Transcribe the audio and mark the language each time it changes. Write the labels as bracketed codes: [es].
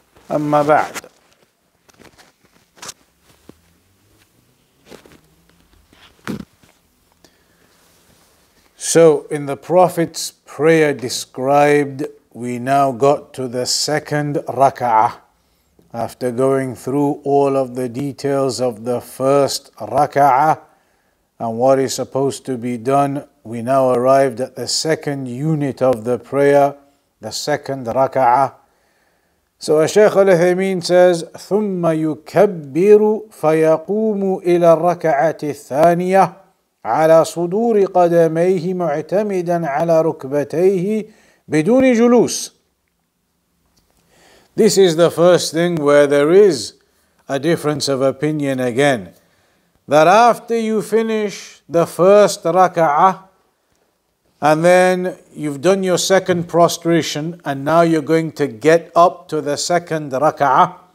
[ar] أما بعد [en] So in the Prophet's prayer described, we now got to the second raka'ah. After going through all of the details of the first raka'ah and what is supposed to be done, we now arrived at the second unit of the prayer, the second raka'ah. So Sheikh Uthaymeen says, [ar] ثُمَّ يُكَبِّرُ فَيَقُومُ إِلَى الرَّكَعَةِ الثَّانِيَةِ على صدور قدميه معتمدا على ركبتيه بدون جلوس. [en] This is the first thing where there is a difference of opinion again. That after you finish the first raka'ah and then you've done your second prostration and now you're going to get up to the second raka'ah.